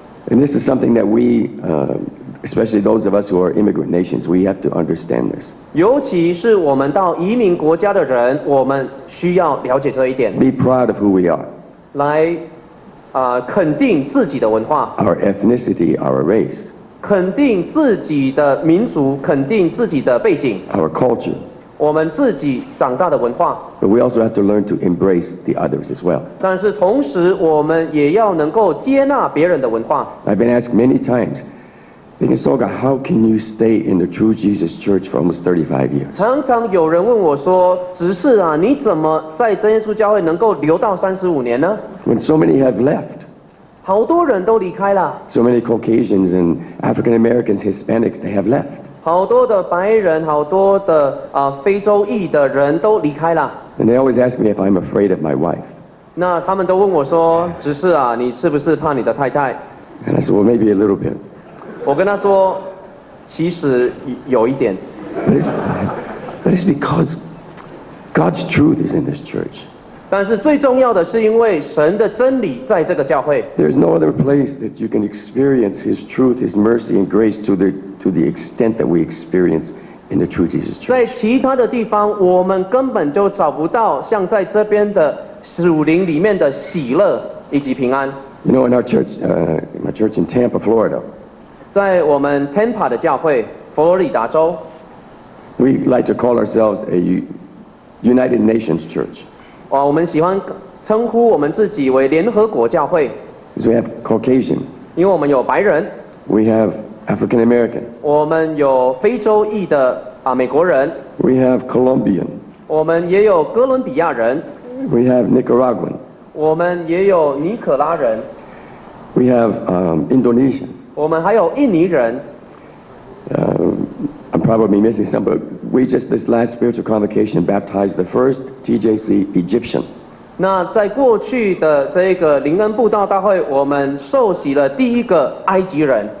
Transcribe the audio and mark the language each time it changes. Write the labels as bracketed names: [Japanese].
[English] And this is something that we, especially those of us who are immigrant nations, we have to understand this. [Chinese] 尤其是我们到移民国家的人，我们需要了解这一点。 [English] Be proud of who we are. [Chinese] 来。肯定自己的文化 [English] ，our ethnicity, our race， [Chinese] 肯定自己的民族，肯定自己的背景 [English] ，our culture， [Chinese] 我们自己长大的文化。 [English] But we also have to learn to embrace the others as well。 [Chinese] 但是同时，我们也要能够接纳别人的文化。 [English] I've been asked many times, thinking, Soga, how can you stay in the True Jesus Church for almost 35 years？ [Chinese] 常常有人问我说，执事啊，你怎么在真耶稣教会能够留到35年呢？ [English] When so many have left, [Chinese] 好多人都离开了。 [English] So many Caucasians and African Americans, Hispanics, they have left. [Chinese] 好多的白人，好多的非洲裔的人都离开了。 [English] And they always ask me if I'm afraid of my wife. [Chinese] 那他们都问我说，只是啊，你是不是怕你的太太？ [English] And I said, well, maybe a little bit. [Chinese] 我跟他说，其实有一点。 [English] But it's because God's truth is in this church. [Chinese] 但是最重要的是因为神的真理在这个教会。 [English] There's no other place that you can experience His truth, His mercy and grace to the extent that we experience in the True Jesus Church. [Chinese] 在其他的地方，我们根本就找不到像在这边的属灵里面的喜乐以及平安。 [English] You know, in our church, my church in Tampa, Florida. [Chinese] 在我们 Tampa 的教会，佛罗里达州。 [English] We like to call ourselves a United Nations Church. [Chinese] 我们喜欢称呼我们自己为联合国教会。 [English] So、we have Caucasian. [Chinese] 因为我们有白人。 [English] We have African American. [Chinese] 我们有非洲裔的美国人。 [English] We have Colombian. [Chinese] 我们也有哥伦比亚人。 [English] We have Nicaraguan. [Chinese] 我们也有尼可拉人。 [English] We have Indonesian. [Chinese] 我们还有印尼人。 [English] I'm probably missing some, but we just this last spiritual convocation baptized the first TJC Egyptian. [Chinese] 那在过去的这个灵恩布道大会，我们受洗了第一个埃及人。